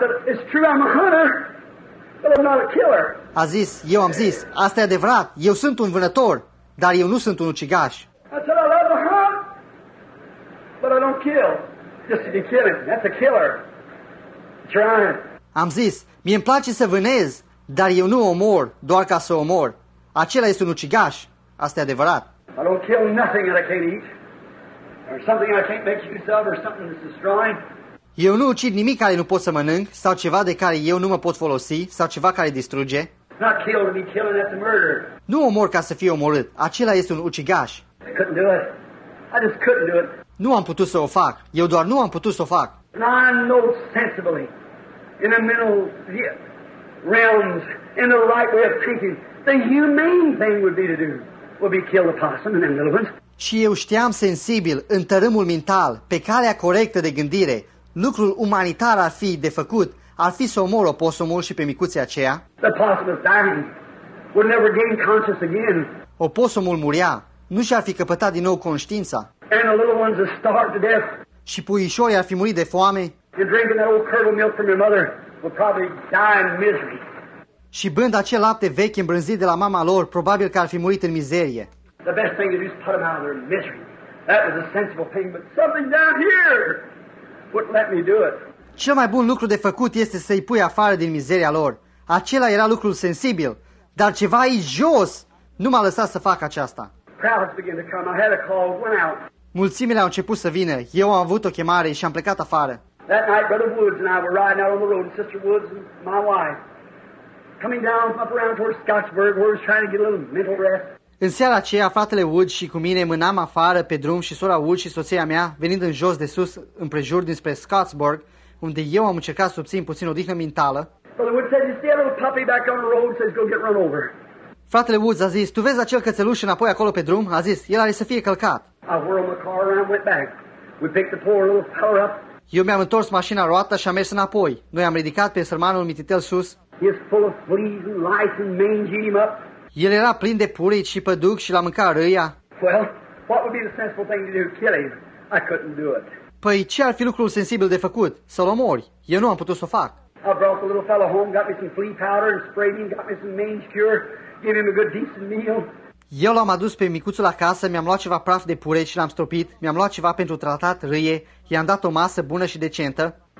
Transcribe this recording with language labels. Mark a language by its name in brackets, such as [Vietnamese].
[English] It's true, I'm a hunter, but I'm not a killer. [Romanian] A zis, eu am zis, asta e adevărat, eu sunt un vânător, dar eu nu sunt un ucigaș. [English] I said, I love to hunt, but I don't kill. Just to be killing, that's a killer. Trying. [Romanian] Am zis, mie îmi place să vânez, dar eu nu omor, doar ca să omor. Acela este un ucigaș. Asta e adevărat. [English] I don't kill nothing that I can't eat. Or something I can't make use of or something that's destroying. [Romanian] Eu nu ucid nimic care nu pot să mănânc sau ceva de care eu nu mă pot folosi sau ceva care distruge. [English] Not kill to be killing, that's a murder. [Romanian] Nu omor ca să fie omorât. Acela este un ucigaș. [English] I couldn't do it. I just couldn't do it. [Romanian] Nu am putut să o fac. Eu doar nu am putut să o fac. [English] And I know sensibly in the middle realms in the right way of thinking. The humane thing would be to do would be kill the possum and then little ones. [Romanian] Și eu știam sensibil, în tărâmul mental, pe calea corectă de gândire, lucrul umanitar ar fi de făcut, ar fi să omor oposumul și pe micuții aceia. [English] The possum is dying. Would never gain conscious again. [Romanian] Oposumul muria, nu și-ar fi căpătat din nou conștiința. [English] And the little ones are starved to death. [Romanian] Și puișorii ar fi murit de foame. [English] And drinking that old curdled milk from your mother would probably die in misery. [Romanian] Și bând acel lapte vechi îmbrânzit de la mama lor, probabil că ar fi murit în mizerie. [English] The best thing to do is put them out of their misery. That was a sensible thing, but something down here wouldn't let me do it. [Romanian] Cel mai bun lucru de făcut este să-i pui afară din mizeria lor. Acela era lucrul sensibil, dar ceva aici jos nu m-a lăsat să fac aceasta. [English] Crowds began to come. I had a call, went out. [Romanian] Mulțimile au început să vină. Eu am avut o chemare și am plecat afară. [English] That night, Brother Woods and I were riding out on the road, Sister Woods and my wife. Coming down up around towards Scottsburg, we're trying to get a little mental rest. [Romanian] În seara aceea, fratele Wood și cu mine mânam afară pe drum și sora Wood și soția mea, venind în jos de sus, împrejur dinspre Scottsburg, unde eu am încercat să obțin puțin odihnă mentală. [English] Brother Wood said, you see a little puppy back on the road, says go get run over. [Romanian] Fratele Wood a zis, tu vezi acel cățeluș înapoi acolo pe drum? A zis, el are să fie călcat. [English] I whirled my car around, went back. We picked the poor little fellow up. [Romanian] Eu mi-am întors mașina roata și am mers înapoi. Noi am ridicat pe sărmanul mititel sus. [English] He is full of fleas and lice and mangy him up. [Romanian] El era plin de purici și păduc și l-a mâncat râia. [English] Well, what would be the sensible thing to do? Kill him. I couldn't do it. [Romanian] Păi ce ar fi lucrul sensibil de făcut? Să-l omori. Eu nu am putut să o fac. [English] I brought the little fellow home, got me some flea powder and sprayed him, got me some mange cure, gave him a good decent meal. [Romanian] Eu l-am adus pe micuțul acasă, mi-am luat ceva praf de pureci și l-am stropit, mi-am luat ceva pentru tratat râie, i-am dat o masă bună și decentă.